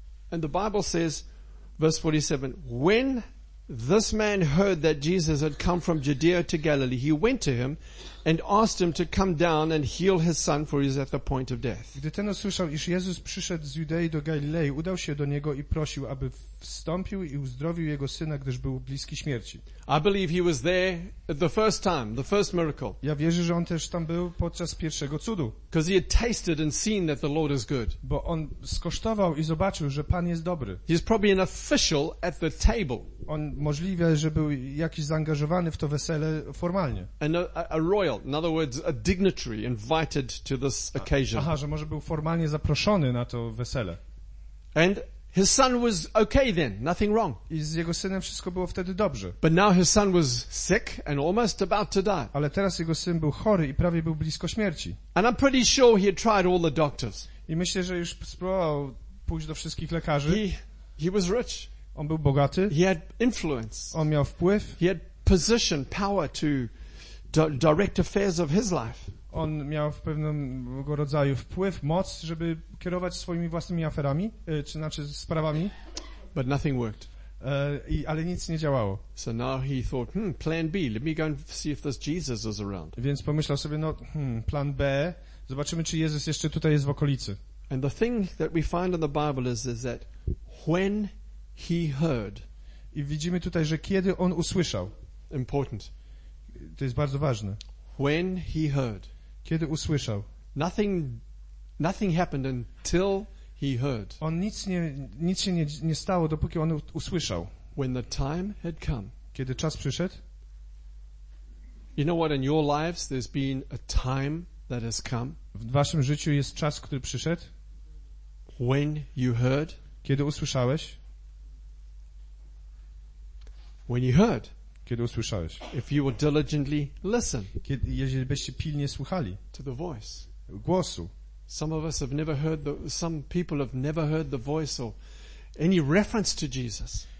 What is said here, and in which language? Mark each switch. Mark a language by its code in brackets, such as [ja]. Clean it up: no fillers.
[en] And the Bible says, verse 47, when this man heard that Jesus had come from Judea to Galilee, he went to him and asked him to come down and heal his son, for he is at the point of death. [pl] Gdy ten usłyszał, iż Jezus przyszedł z Judei do Galilei, udał się do niego i prosił, aby wstąpił i uzdrowił jego syna, gdyż był bliski śmierci. [en] I believe he was there the first time, the first miracle. [pl] Ja wierzę, że on też tam był podczas pierwszego cudu. [en] Because he had tasted and seen that the Lord is good. [pl] Bo on skosztował i zobaczył, że Pan jest dobry. [en] He's probably an official at the table. [pl] On możliwe, że był jakiś zaangażowany w to wesele formalnie. [en] And a royal, in other words, a dignitary invited to this occasion. [pl] Aha, że może był formalnie zaproszony na to wesele. [en] And his son was okay then, nothing wrong. [pl] I z jego synem wszystko było wtedy dobrze. [en] But now his son was sick and almost about to die. [pl] Ale teraz jego syn był chory i prawie był blisko śmierci. [en] And I'm pretty sure he had tried all the doctors. [pl] I myślę, że już spróbował pójść do wszystkich lekarzy. [en] He was rich. [pl] On był bogaty. [en] He had influence. [pl] On miał wpływ. [en] He had position, power to direct affairs of his life. [pl] On miał w pewnym rodzaju wpływ, moc, żeby kierować swoimi własnymi aferami, czy znaczy sprawami. [en] But nothing worked. [pl] Ale nic nie działało. [en] So now he thought, plan B, let me go and see if this Jesus is around. [pl] Więc pomyślał sobie, plan B, zobaczymy, czy Jezus jeszcze tutaj jest w okolicy. [en] And the thing that we find in the Bible is that when he heard. [pl] I widzimy tutaj, że kiedy on usłyszał. [en] Important. [pl] To jest bardzo ważne. [en] When he heard. [pl] Kiedy usłyszał. [en] Nothing happened until he heard. [pl] On nic się nie stało, dopóki on usłyszał. [en] When the time had come. [pl] Kiedy czas przyszedł. [en] You know what, in your lives there's been a time that has come. [pl] W waszym życiu jest czas, który przyszedł. [en] When you heard. [pl] Kiedy usłyszałeś. [en] When you heard. [pl] kiedy usłyszałeś. [en] If you will diligently listen. [pl] Kiedy, jeżeli byście pilnie słuchali. [en] To the voice. [pl] Głosu. [en] Some of us have never heard the, some people have never heard the voice or any reference to Jesus.